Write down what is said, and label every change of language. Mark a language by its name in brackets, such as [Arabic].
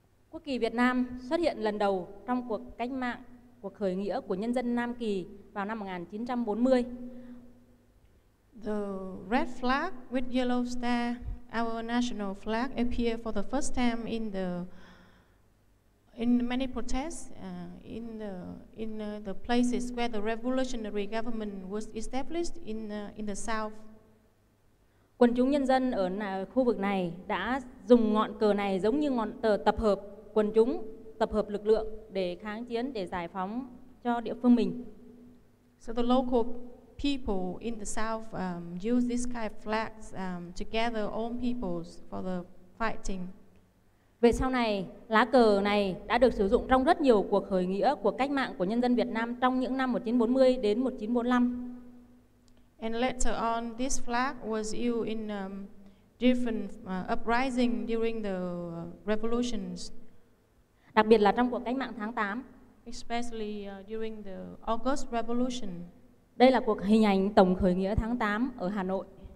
[Vietnamese] Quốc kỳ Việt Nam xuất hiện lần đầu trong cuộc cách mạng, cuộc khởi nghĩa của nhân dân Nam Kỳ vào năm 1940. [English] The red flag with yellow star, our national flag, appeared for the first time in many protests in the places where the revolutionary government was established in the south. [Vietnamese] Quần chúng nhân dân ở khu vực này đã dùng ngọn cờ này giống như ngọn cờ tập hợp quần chúng, tập hợp lực lượng để kháng chiến, để giải phóng cho địa phương mình. [English] So the local people in the south use this kind of flags to gather all peoples for the fighting. [Vietnamese] Về sau này, lá cờ này đã được sử dụng trong rất nhiều cuộc khởi nghĩa, cuộc cách mạng của nhân dân Việt Nam trong những năm 1940 đến 1945. [English] And later on, this flag was used in different uprisings during the revolutions. [Vietnamese] Đặc biệt là trong cuộc cách mạng tháng 8. [English] Especially during the August Revolution. [Vietnamese] Đây là cuộc hình ảnh tổng khởi nghĩa tháng 8 ở Hà Nội.